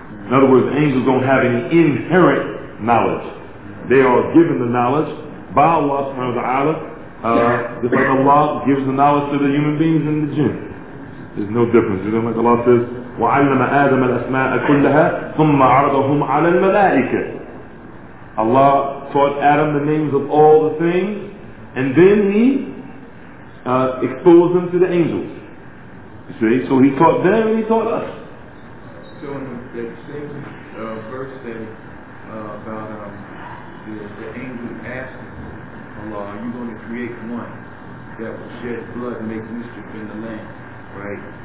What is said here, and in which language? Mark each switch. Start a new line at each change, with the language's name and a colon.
English: In other words, angels don't have any inherent knowledge. They are given the knowledge by Allah subhanahu wa ta'ala. Just like Allah gives the knowledge to the human beings in the jinn. There's no difference. You know, like Allah says,
Arabic: وَعَلَّمَ آدَمَ الْأَسْمَاءَ كُلَّهَا ثُمَّ عَرَضَهُمْ عَلَى الْمَلَائِكَةِ.
English: Allah taught Adam the names of all the things, and then he exposed them to the angels. You see? So he taught them and he taught us. So in the same verse that about the angel asking Allah, are you going to create one that will shed blood and make mischief in the land, right?